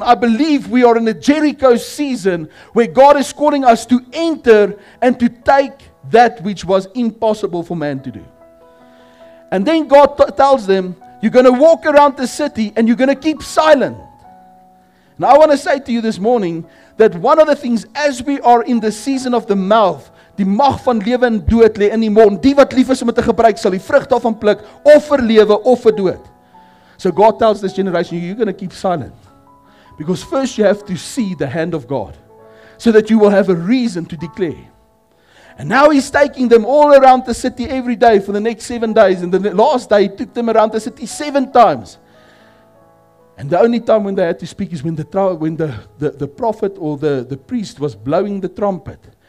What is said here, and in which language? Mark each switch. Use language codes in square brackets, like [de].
[en] And I believe we are in a Jericho season where God is calling us to enter and to take that which was impossible for man to do. And then God tells them, you're going to walk around the city and you're going to keep silent. Now I want to say to you this morning that one of the things, as we are in the season of the mouth, [af] Die mag van lewe en dood lê in die mond. Die wat lief is om dit te gebruik sal die vrug daarvan pluk of vir lewe of vir dood. [en] So God tells this generation, you're going to keep silent. Because first you have to see the hand of God. So that you will have a reason to declare. And now he's taking them all around the city every day for the next 7 days. And the last day he took them around the city 7 times. And the only time when they had to speak is when the prophet or the priest was blowing the trumpet.